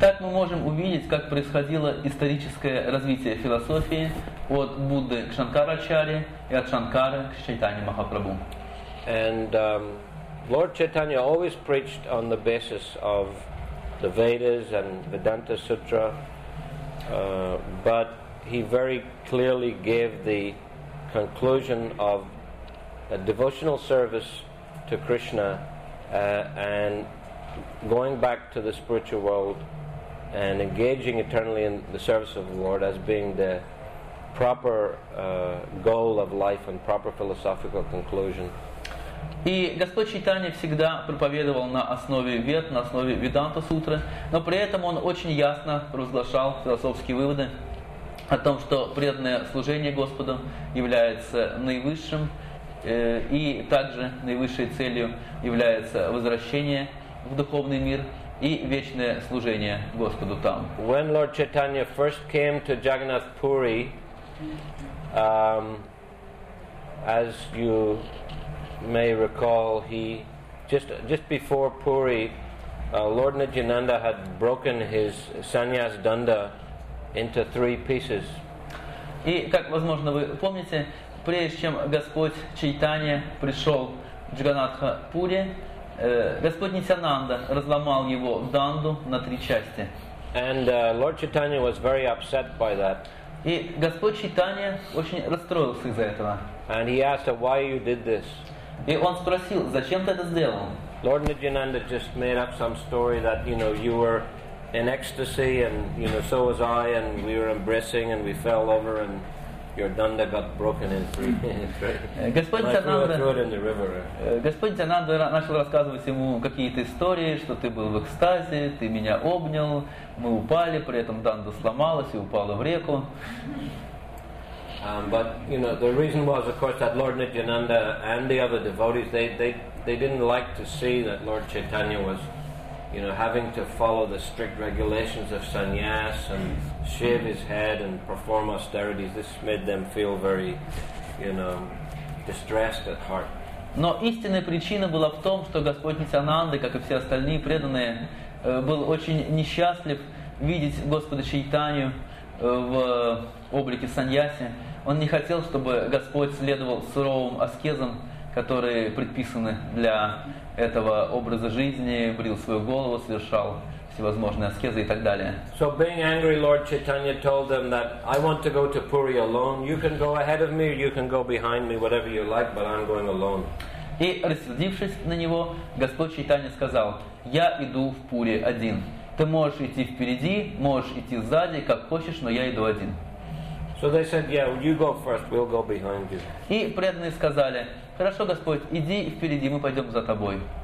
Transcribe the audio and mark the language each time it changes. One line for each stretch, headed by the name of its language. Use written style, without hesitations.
Russian: Так мы можем увидеть, как происходило историческое развитие философии от Будды к Шанкарачарье и от Шанкары к Чайтанье Махапрабху.
English: And Lord Chaitanya always preached on the basis of the Vedas and Vedanta Sutra, but he very clearly gave the conclusion of a devotional service to Krishna and going back to the spiritual world and engaging eternally in the service of the Lord as being the proper goal of life and proper philosophical conclusion.
Russian: И Господь Чайтанья всегда проповедовал на основе Вед, на основе Веданта Сутры, но при этом он очень ясно провозглашал философские выводы о том, что преданное служение Господу является наивысшим, и также наивысшей целью является возвращение в духовный мир и вечное служение Господу там.
English: When Lord Chaitanya first came to Jagannath Puri, as you may recall, he just before Puri, Lord Nityananda had broken his sannyas danda into three pieces.
Russian: И как возможно вы помните, прежде чем Господь Чайтанья пришел в Джаганнатха Пури, Господь Нитянанда разломал его данду на три части.
English: And Lord Chaitanya was very upset by that.
Russian: И Господь Чайтанья очень расстроился из-за этого.
English: And he asked her, why you did this?
Russian: И он спросил, зачем ты это сделал?
English: Lord Nityananda just made up some story that, you know, you were in ecstasy and, you know, so was I, and we were embracing and we fell over and your danda got broken in three.
Russian: Господь Нитянанда начал рассказывать ему какие-то истории, что ты был в экстазе, ты меня обнял, мы упали, при этом данда сломалась и упала в реку.
English: But you know, the reason was, of course, that Lord Nityananda and the other devotees, they didn't like to see that Lord Chaitanya was, you know, having to follow the strict regulations of sannyas and shave his head and perform austerities. This made them feel very, you know, distressed at heart.
Russian: Но истинная причина была в том, что Господь Нитянанда, как и все остальные преданные, был очень несчастлив видеть Господа Чайтанью в облике саньяси. Он не хотел, чтобы Господь следовал суровым аскезам, которые предписаны для этого образа жизни, брил свою голову, совершал всевозможные аскезы и так далее.
English: So being angry, Lord Chaitanya told them that I want to go to Puri alone. You can go ahead of me, or you can go behind me, whatever you like, but I'm going alone.
Russian: И рассердившись на него, Господь Чайтанья сказал: «Я иду в Пури один. Ты можешь идти впереди, можешь идти сзади, как хочешь, но я иду один».
English: So they said, yeah, you go first, we'll go behind you.
Russian: И преданные сказали: «Хорошо, Господь, иди впереди, мы пойдем за тобой».